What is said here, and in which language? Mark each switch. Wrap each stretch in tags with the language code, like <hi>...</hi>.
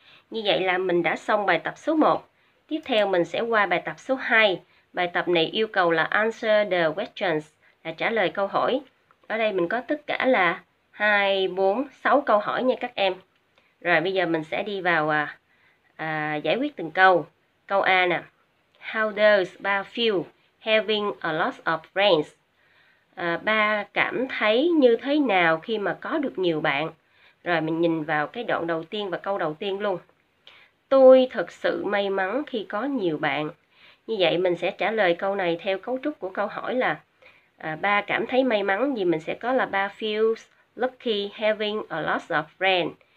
<vi>Như vậy là mình đã xong bài tập số 1. Tiếp theo mình sẽ qua bài tập số 2. Bài tập này yêu cầu là</vi> <en>answer the questions,</en> <vi>là trả lời câu hỏi. Ở đây mình có tất cả là 2, 4, 6 câu hỏi nha các em. Rồi bây giờ mình sẽ đi vào giải quyết từng câu. Câu A nè.</vi> <en>How does ba feel having a lot of friends?</en> <vi>Ba cảm thấy như thế nào khi mà có được nhiều bạn? Rồi mình nhìn vào cái đoạn đầu tiên và câu đầu tiên luôn. Tôi thật sự may mắn khi có nhiều bạn. Như vậy mình sẽ trả lời câu này theo cấu trúc của câu hỏi là ba cảm thấy may mắn thì mình sẽ có là</vi> <en>ba feels lucky having a lot of friends.</en>